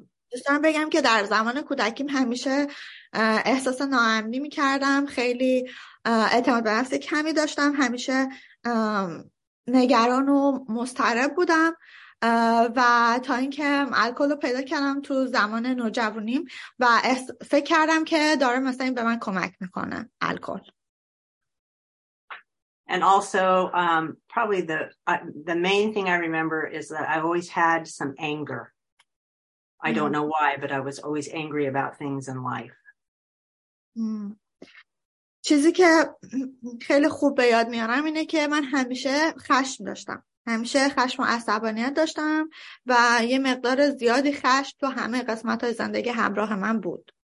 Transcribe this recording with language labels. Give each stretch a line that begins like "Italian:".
Persian: دوستان بگم که در زمان کودکیم همیشه احساس ناامنی میکردم، خیلی اعتماد به نفس کمی داشتم، همیشه نگران و مضطرب بودم، و تا اینکه الکل رو پیدا کردم تو زمان نوجوانیم و فکر کردم که داره مثلا این به من کمک میکنه الکل.
English: And also probably the main thing I remember is that I always had some anger. I don't know why, but I was always angry about things in life.
Persian: چیزی که خیلی خوب به یاد میارم اینه که من همیشه خشم داشتم. همیشه خشم و عصبانیت داشتم و یه مقدار زیادی خشم تو همه قسمت‌های زندگی همراه من بود.